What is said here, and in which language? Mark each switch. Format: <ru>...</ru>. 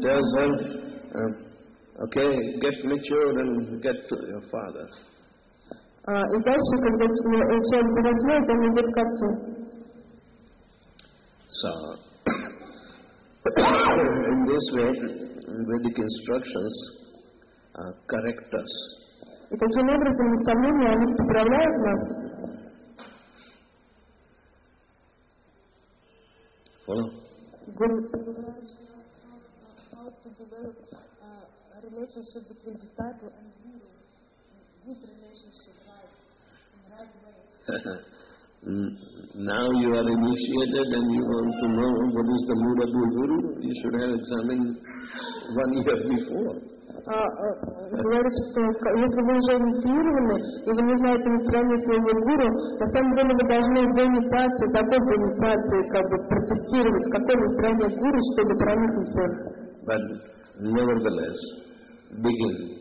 <en>Tells her, okay, get mature and get to your father.</en> <ru>И дальше, когда человек взрослеет, он идет к отцу.</ru> <en>So, in this way, Vedic instructions correct us.</en> <ru>И таким образом, наставления, они поправляют нас.</ru> <en>Follow? Good. How to develop a relationship between disciple and guru. Good relationship, right? In the right way. Now you are initiated and you want to know what is the mood of your guru, you should have examined 1 year before.</en> <ru>Говорит, что если вы уже инициированы, и вы не знаете направление своего гуру, на самом деле вы должны в инициации, такой в инициации, как бы протестировать, какое направление гуру, чтобы проникнуться.</ru> <en>But nevertheless, begin.</en>